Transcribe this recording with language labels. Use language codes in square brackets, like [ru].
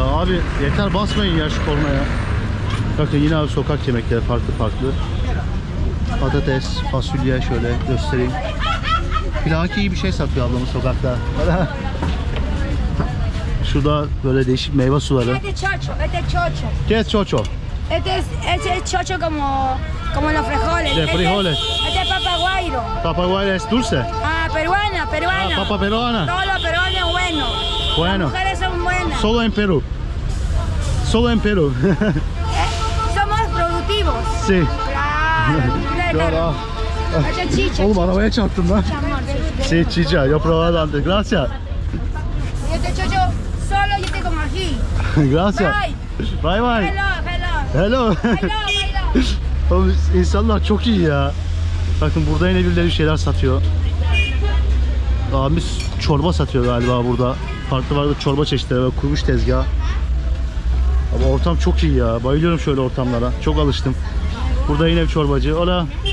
[tr] Abi yeter basmayın ya şu koluna ya. Bakın yine abi sokak yemekleri farklı farklı. Patates, fasulye şöyle göstereyim. Plaki iyi bir şey satıyor ablamın sokakta. Şurada böyle değişik meyve suları. [es] Ete çoço. Ete çoço. Este es chocho como los frijoles. De frijoles. Este es papaguayro. ¿Papaguayro es dulce? Ah, peruana, peruana. Ah, papa peruana. Todos los peruanos buenos. Bueno. Las mujeres son buenas. Solo en Perú. Solo en Perú. Somos productivos. Sí. Claro. Claro. Este es chicha. [tr] Oğlum, arabaya çarptın lan. [es] Sí, chicha. Yo probablemente. Gracias. Este chocho solo yo tengo aquí. Gracias. [en] Bye. Bye bye. Hello. Hello. Hello, hello. [tr] Oğlum insanlar çok iyi ya. Bakın burada yine birileri şeyler satıyor. Abimiz çorba satıyor galiba burada. Farklı farklı çorba çeşitleri ve kurumuş tezgah. Ama ortam çok iyi ya. Bayılıyorum şöyle ortamlara. Çok alıştım. Burada yine bir çorbacı. Ola.